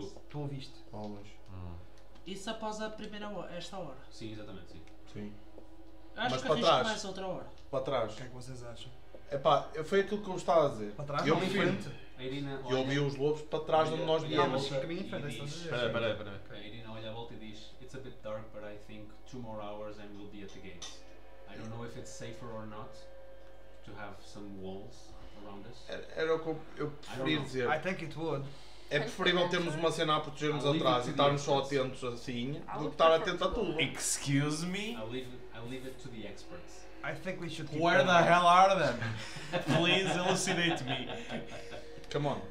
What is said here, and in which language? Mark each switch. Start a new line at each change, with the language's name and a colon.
Portuguese: Tu ouviste. Ao longe. Isso após a primeira hora, esta hora. Sim, exatamente, sim. Sim. Acho mas que para a trás. Começa outra hora. Para trás. O que é que vocês acham? Epá, foi aquilo que eu estava a dizer. Para trás, eu em frente. Irina, eu vi os lobos para trás de onde nós viemos. Espera. A Irina olha a volta e diz:
English: it's a bit dark, but I think 2 more hours and we'll be at the gates. I don't know if it's safer or not to have some walls around us.
Portuguese: Era o que eu preferia dizer.
English: I think it would.
Portuguese: É preferível termos uma cena a proteger-nos atrás e estarmos só atentos assim do que estar atento a tudo.
English: Excuse me? I'll leave it to the experts. I think we should keep where the hell are them? Please elucidate me. Come on.